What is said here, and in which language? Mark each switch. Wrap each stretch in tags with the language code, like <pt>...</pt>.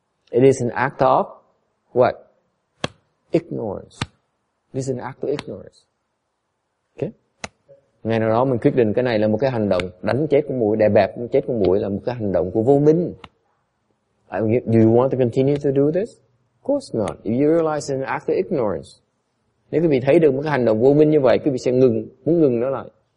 <en>It is an act of what? Ignorance. It is an act of ignorance. Okay.</en> <vi>Ngày nào đó mình quyết định cái này là một cái hành động đánh chết con muỗi, đè bẹp chết con muỗi là một cái hành động của vô minh.</vi> <en>Do you want to continue to do this? Of course not. If you realize it's an act of ignorance.</en> <vi>Nếu quý vị thấy được một cái hành động vô minh như vậy, quý vị sẽ ngừng, muốn ngừng nó lại.</vi>